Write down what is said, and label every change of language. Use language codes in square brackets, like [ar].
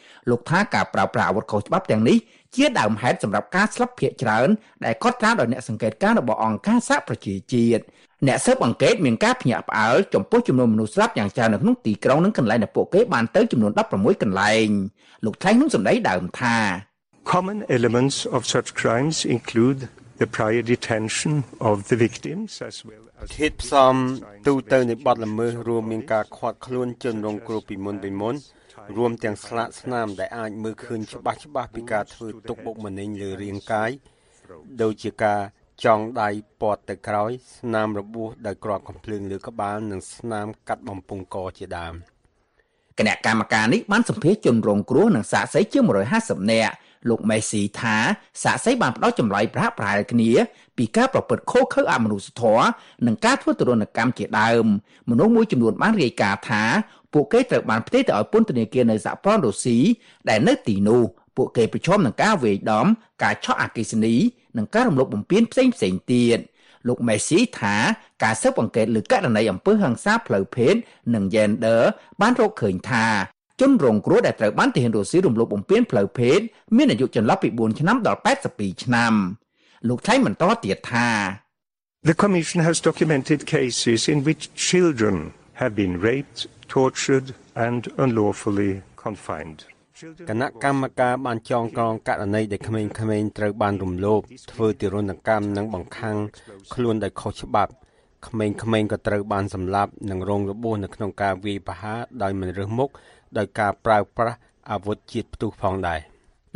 [km] លោកថាការប្រើប្រាស់អាវុធខុសច្បាប់ទាំងនេះជាដើមហេតុសម្រាប់ការស្លាប់ភ្នាក់ច្រើនដែលកត់ត្រាដោយអ្នកសង្កេតការណ៍របស់អង្គការសហប្រជាជាតិអ្នកស៊ើបអង្កេតមានការភ្ញាក់ផ្អើលចំពោះចំនួនមនុស្សស្លាប់យ៉ាងច្រើននៅក្នុងទីក្រុងនិងកន្លែងដែលពួកគេបានទៅចំនួន16កន្លែងលោកថ្លែងក្នុងសម្ដីដើមថា [en] Common elements of such crimes include the prior detention of the victims as well [km] ហេតុផ្សំទូទៅនៃបទល្មើសរួមមានការឃាត់ខ្លួនជនរងគ្រោះពីមុនរួមទាំងស្លាកស្នាមដែលអាចមើលឃើញច្បាស់ច្បាស់ពីការធ្វើទុកបុកម្នេញលើរាងកាយដូចជាការចងដៃពត់ទៅក្រោយស្នាមរបួសដោយគ្រាប់កំភ្លើងលើក្បាលនិងស្នាមកាត់បំពង់កជាដើម គណៈកម្មការនេះបានសម្ភាសន៍ជនរងគ្រោះនិងសាកសួរជាង150នាក់លោកមេស៊ីថាសាកសួរបានផ្ដោតចម្លើយប្រហាក់ប្រហែលគ្នាពីការប្រព្រឹត្តខុសខើអមនុស្សធម៌និងការធ្វើទរណកម្មជាដើមមនុស្សមួយចំនួនបានរាយការណ៍ថា ពួកគេត្រូវបានផ្ទេរទៅឲ្យពន្ធនាគារនៅសហព័ន្ធរុស្ស៊ីដែលនៅទីនោះពួកគេប្រឈមនឹងការវាយដំការឆក់អគ្គិសនីនិងការរំលោភបំពានផ្សេងៗទៀតលោកមេស៊ីថាការស៊ើបអង្កេតលើករណីអំពើហិង្សាផ្លូវភេទនិង Gender បានរកឃើញថាជនរងគ្រោះដែលត្រូវបានទាហានរុស្ស៊ីរំលោភបំពានផ្លូវភេទមានអាយុចន្លោះពី4ឆ្នាំដល់82ឆ្នាំលោកថ្លែងបន្តទៀតថា [en] The commission has documented cases in which children have been raped, tortured and unlawfully confined. [km] គណៈកម្មការបានចងក្រងករណីដែលក្មេងៗត្រូវបានរំលោភធ្វើទារុណកម្មនិងបង្ខំខ្លួនដោយខុសច្បាប់ក្មេងៗក៏ត្រូវបានសម្លាប់និងរងរបួសនៅក្នុងការវាយប្រហារដោយមនុស្សមុខដោយការប្រើប្រាស់អាវុធជាតិផ្ទុះផងដែរ